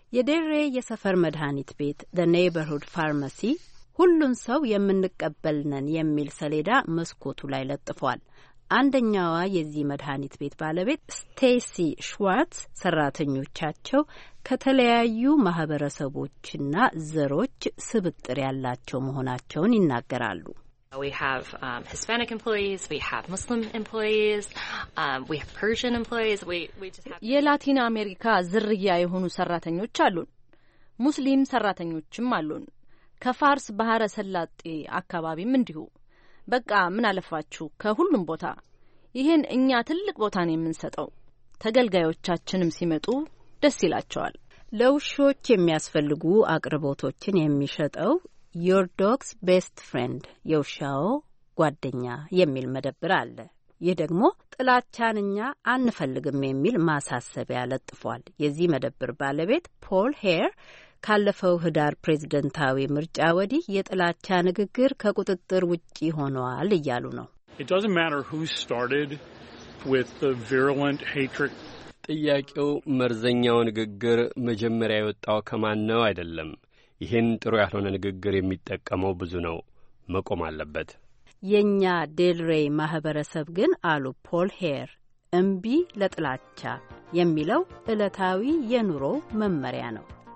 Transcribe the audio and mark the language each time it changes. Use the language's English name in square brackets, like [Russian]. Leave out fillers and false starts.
[Amharic] የዴልሬ የሰፈር መድኃኒት ቤት ዘ ኔይበርሁድ ፋርማሲ ሁሉን ሰው የምንቀበል ነን የሚል ሰሌዳ መስኮቱ ላይ ለጥፏል። አንደኛዋ የዚህ መድኃኒት ቤት ባለቤት ስቴሲ ሽዋርትስ ሰራተኞቻቸው ከተለያዩ ማህበረሰቦችና ዘሮች ስብጥር ያላቸው መሆናቸውን ይናገራሉ። [English] We have Hispanic employees, we have Muslim employees, we have Persian employees, we just have [Amharic] የላቲን አሜሪካ ዝርያ የሆኑ ሰራተኞች አሉን። ሙስሊም ሰራተኞችም አሉን። ከፋርስ ባህረ ሰላጤ አካባቢም እንዲሁ። በቃ ምን አለፋችሁ ከሁሉም ቦታ። ይሄን እኛ ትልቅ ቦታ ነው የምንሰጠው። ተገልጋዮቻችንም ሲመጡ ደስ ይላቸዋል። ለውሾች የሚያስፈልጉ አቅርቦቶችን የሚሸጠው Your dog's best friend, የውሻው ጓደኛ የሚል መደብር አለ። ይህ ደግሞ ጥላቻንኛ አንፈልግም የሚል ማሳሰቢያ ለጥፏል። የዚህ መደብር ባለቤት ፖል ሄር ካለፈው ህዳር ፕሬዝደንታዊ ምርጫ ወዲህ የጥላቻ ንግግር ከቁጥጥር ውጪ ሆኗል እያሉ ነው። [English] It doesn't matter who started with the virulent hatred. [Amharic] ጥያቄው መርዘኛው ንግግር መጀመሪያ የወጣው ከማን ነው አይደለም። ይህን ጥሩ ያልሆነ ንግግር የሚጠቀመው ብዙ ነው፣ መቆም አለበት። የኛ ዴልሬይ ማህበረሰብ ግን አሉ ፖል ሄር፣ እምቢ ለጥላቻ የሚለው ዕለታዊ የኑሮ መመሪያ ነው።